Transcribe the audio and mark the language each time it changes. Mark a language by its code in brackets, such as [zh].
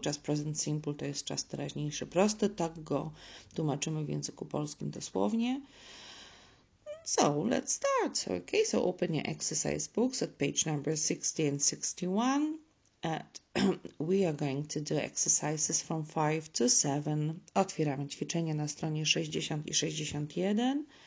[pl] Czas present simple to jest czas teraźniejszy prosty, tak go tłumaczymy w języku polskim dosłownie. [en] So, let's start. Okay, so open your exercise books at page number 60 and 61. And we are going to do exercises from 5 to 7. [pl] Otwieramy ćwiczenie na stronie 60 i 61.